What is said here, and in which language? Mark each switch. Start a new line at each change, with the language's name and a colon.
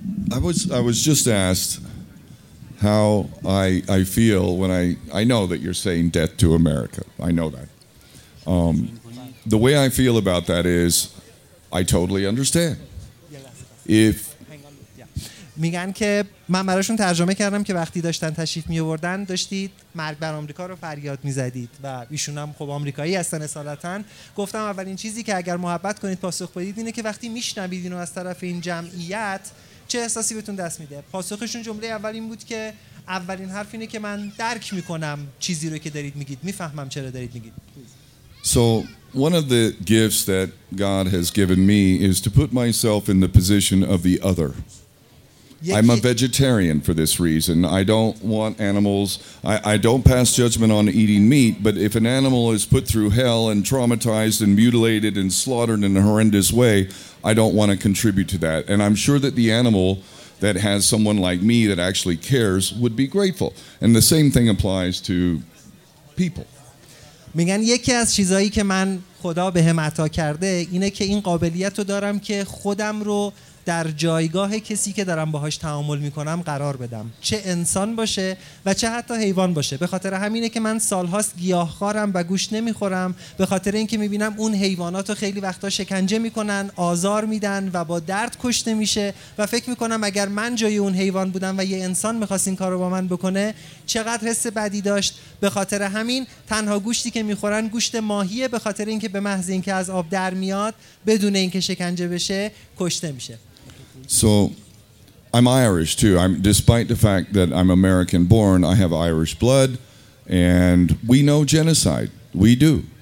English: I was just asked how I feel when I know that you're saying death to America. I know that. The way I feel about that is I totally understand. If
Persian: میگن که من براشون ترجمه کردم که وقتی داشتن تشریف می آوردن داشتید مرگ بر آمریکا رو فریاد می زدید، و ایشون هم خب آمریکایی هستن اصالتاً. گفتم اولین چیزی که اگر محبت کنید پاسخ بدید اینه که وقتی میشنوید اینو از طرف این جمعیت چه احساسی بهتون دست میده. پاسخشون جمله اولین بود که اولین حرف اینه که من درک میکنم چیزی رو که دارید میگید، میفهمم چرا دارید میگید.
English: So one of the gifts that God has given me is to put myself in the position of the other. I'm a vegetarian for this reason. I don't want animals. I don't pass judgment on eating meat, but if an animal is put through hell and traumatized and mutilated and slaughtered in a horrendous way, I don't want to contribute to that. And I'm sure that the animal that has someone like me that actually cares would be grateful. And the same thing applies to people.
Persian: میگن یکی از چیزایی که من خدا بهم عطا کرده اینه که این قابلیت رو دارم که خودم رو در جایگاه کسی که دارم باهاش تعامل میکنم قرار بدم، چه انسان باشه و چه حتی حیوان باشه. به خاطر همینه که من سالهاست گیاهخوارم و گوشت نمیخورم، به خاطر اینکه میبینم اون حیوانات رو خیلی وقتا شکنجه میکنن، آزار میدن و با درد کشته میشه، و فکر میکنم اگر من جای اون حیوان بودم و یه انسان میخواست این کارو با من بکنه چقدر حس بدی داشت. به خاطر همین تنها گوشتی که میخورن گوشت ماهیه، به خاطر اینکه به محض اینکه از آب در میاد بدون اینکه شکنجه بشه کشته میشه.
English: So I'm Irish too. Despite the fact that I'm American born, I have Irish blood, and we know genocide. We do.